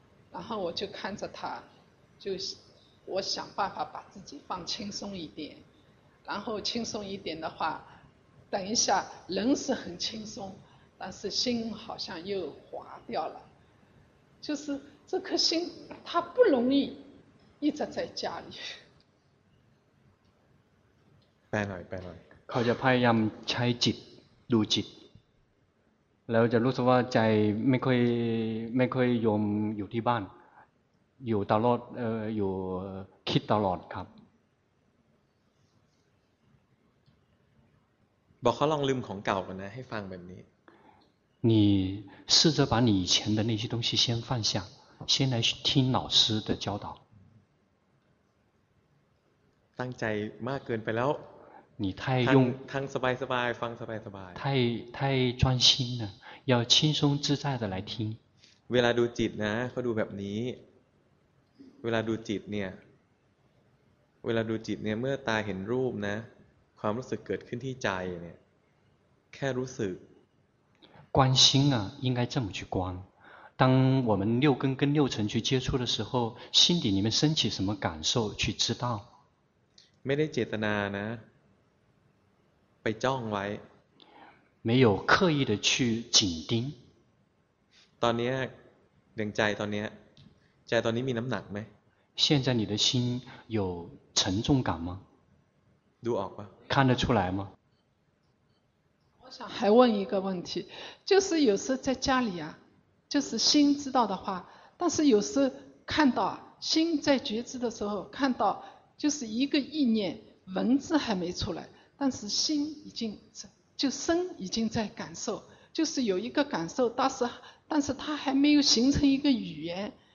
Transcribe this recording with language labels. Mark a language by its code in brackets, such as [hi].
[zh] 然后我就看着他，就我想办法把自己放轻松一点，然后轻松一点的话，等一下人是很轻松，但是心好像又滑掉了，就是这颗心它不容易一直在家里。拜拜拜拜， [th] เขาจะพยายามใช้จิตดูจิตแล้วจะรู้สึกว่าใจไม่ค่อยยอมอยู่ที่บ้านอยู่ตลอดอยู่คิดตลอดครับ บอกเขาลองลืมของเก่ากันนะให้ฟังแบบนี้ [zh] 你试着把你以前的那些东西先放下先来听老师的教导 [th] ตั้งใจมากเกินไปแล้ว [zh] 你太用 [th] ทั้งสบายสบายฟังสบายสบาย [zh] 太专心了要轻松自在的来听 [th] เวลาดูจิตนะเขาดูแบบนี้เวลาดูจิตเนี่ยเวลาดูจิตเนี่ยเมื่อตาเห็นรูปนะความรู้สึกเกิดขึ้นที่ใจเนี่ยแค่รู้สึก [zh] 观心啊应该这么去观当我们六根跟六尘去接触的时候心底里面升起什么感受去知道 [th] ไม่ได้เจตนานะไปจ้องไว้ [zh] 没有刻意的去紧盯。 [th] ตอนนี้ดึงใจตอนนี้ใจตอนนี้มีน้ำหนักไหม [zh] 现在你的心有沉重感吗 [th] ดูออกป่ะ [zh] 看得出来吗我想还问一个问题就是有时在家里啊就是心知道的话但是有时看到心在觉知的时候看到就是一个意念文字还没出来但是心已经就身已经在感受就是有一个感受但是它还没有形成一个语言